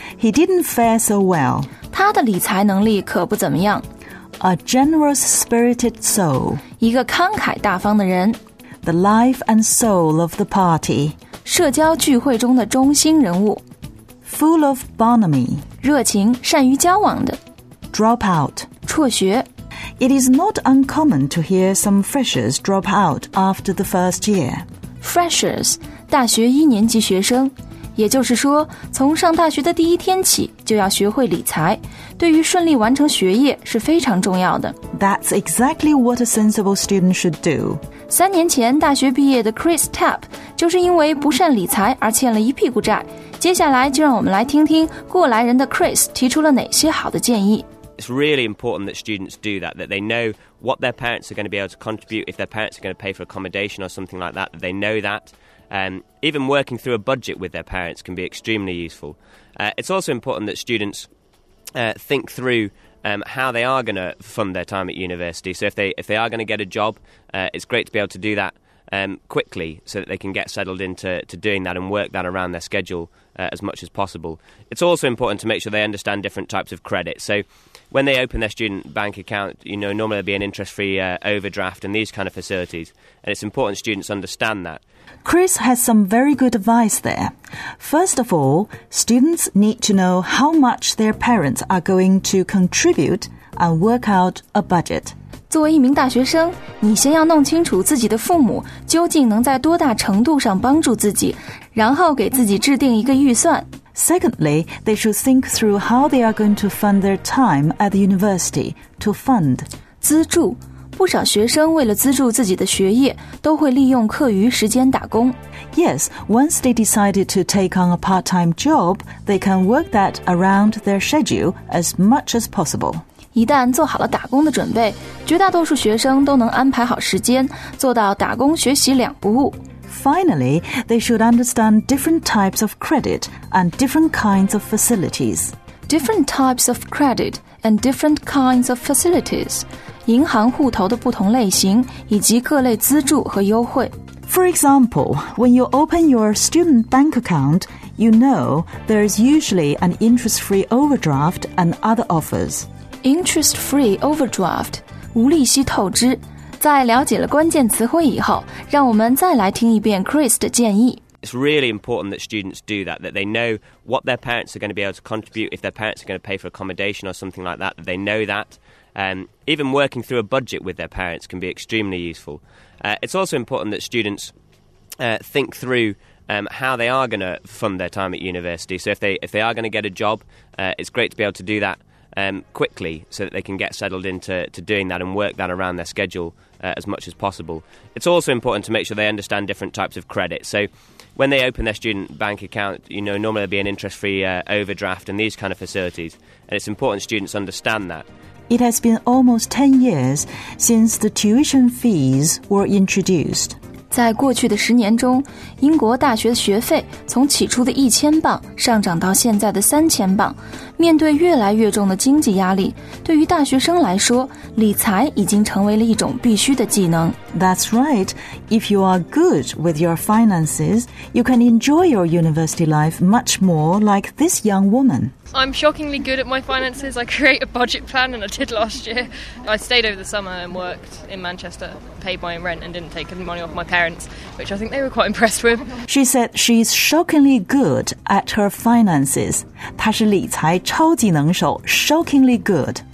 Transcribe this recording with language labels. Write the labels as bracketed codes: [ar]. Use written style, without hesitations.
[en] He didn't fare so well. [zh] 他的理财能力可不怎么样。 [en] A generous-spirited soul. [zh] 一个慷慨大方的人。 [en] The life and soul of the party. [zh] 社交聚会中的中心人物。 [en] Full of bonhomie. [zh] 热情，善于交往的。 [en] Drop out. [zh] 辍学。 [en] It is not uncommon to hear some freshers drop out after the first year. [zh] Freshers, 大学一年级学生，也就是说，从上大学的第一天起就要学会理财，对于顺利完成学业是非常重要的。 [en] That's exactly what a sensible student should do. [zh] 三年前大学毕业的 Chris Tapp 就是因为不善理财而欠了一屁股债。接下来就让我们来听听过来人的 Chris 提出了哪些好的建议。 [en] It's really important that students do that, that they know what their parents are going to be able to contribute, if their parents are going to pay for accommodation or something like that, that they know that. Even working through a budget with their parents can be extremely useful. It's also important that students think through how they are going to fund their time at university. So if they are going to get a job, it's great to be able to do that quickly so that they can get settled into doing that and work that around their schedule as much as possible. It's also important to make sure they understand different types of credit. So... When they open their student bank account, you know, normally there'll be an interest-free overdraft and these kind of facilities. And it's important students understand that. Chris has some very good advice there. First of all, students need to know how much their parents are going to contribute and work out a budget. [zh] 作为一名大学生，你先要弄清楚自己的父母究竟能在多大程度上帮助自己，然后给自己制定一个预算。 [en] Secondly, they should think through how they are going to fund their time at the university. To fund. [zh] 资助。不少学生为了资助自己的学业都会利用课余时间打工。 [en] Yes, once they decided to take on a part-time job, they can work that around their schedule as much as possible. [zh] 一旦做好了打工的准备，绝大多数学生都能安排好时间，做到打工学习两不误。 [en] Finally, they should understand different types of credit and different kinds of facilities. Different types of credit and different kinds of facilities. [zh] 银行户头的不同类型以及各类资助和优惠。 [en] For example, when you open your student bank account, you know there is usually an interest-free overdraft and other offers. Interest-free overdraft, [zh] 无利息透支。在了解了关键词汇以后，让我们再来听一遍 Chris 的建议。 [en] It's really important that students do that, that they know what their parents are going to be able to contribute, if their parents are going to pay for accommodation or something like that, that they know that. Even working through a budget with their parents can be extremely useful. It's also important that students think through how they are going to fund their time at university. So if they are going to get a job, it's great to be able to do that. Quickly so that they can get settled into doing that and work that around their schedule as much as possible. It's also important to make sure they understand different types of credit. So when they open their student bank account, you know, normally there'll be an interest-free overdraft and these kind of facilities. And it's important students understand that. It has been almost 10 years since the tuition fees were introduced. [zh] 在过去的十年中，英国大学学费从起初的£1,000上涨到现在的£3,000。面对越来越重的经济压力，对于大学生来说，理财已经成为了一种必须的技能。 [en] That's right. If you are good with your finances, you can enjoy your university life much more like this young woman. I'm shockingly good at my finances. I create a budget plan and I did last year. I stayed over the summer and worked in Manchester, paid my rent and didn't take any money off my parents, which I think they were quite impressed with. She said she's shockingly good at her finances. [zh] 她是理财超级能手 [en] shockingly good.